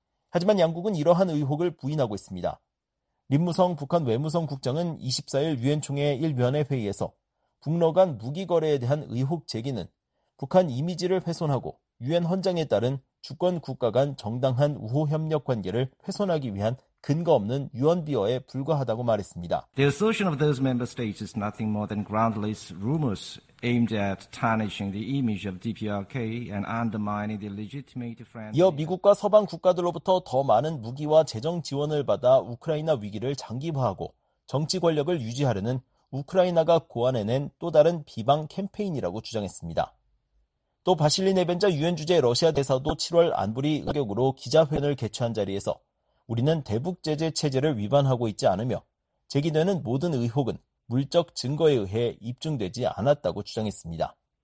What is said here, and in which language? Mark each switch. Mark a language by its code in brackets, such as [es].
[ko] 하지만 양국은 이러한 의혹을 부인하고 있습니다. 림무성 북한 외무성 국장은 24일 유엔 총회 1위원회 회의에서 북러 간 무기 거래에 대한 의혹 제기는 북한 이미지를 훼손하고 유엔 헌장에 따른 주권 국가 간 정당한 우호 협력 관계를 훼손하기 위한 근거 없는 유언 비어에 불과하다고 말했습니다. [en] The assertion of those member states is nothing more than groundless rumors aimed at tarnishing the image of DPRK and undermining the legitimate friend. [ko] 이어 미국과 서방 국가들로부터 더 많은 무기와 재정 지원을 받아 우크라이나 위기를 장기화하고 정치 권력을 유지하려는 우크라이나가 고안해낸 또 다른 비방 캠페인이라고 주장했습니다. 또 바실리 네벤자 유엔 주재 러시아 대사도 7월 안보리 의격으로 기자회견을 개최한 자리에서 우리는 대북 제재 체제를 위반하고 있지 않으며 제기되는 모든 의혹은 물적 증거에 의해 입증되지 않았다고 주장했습니다.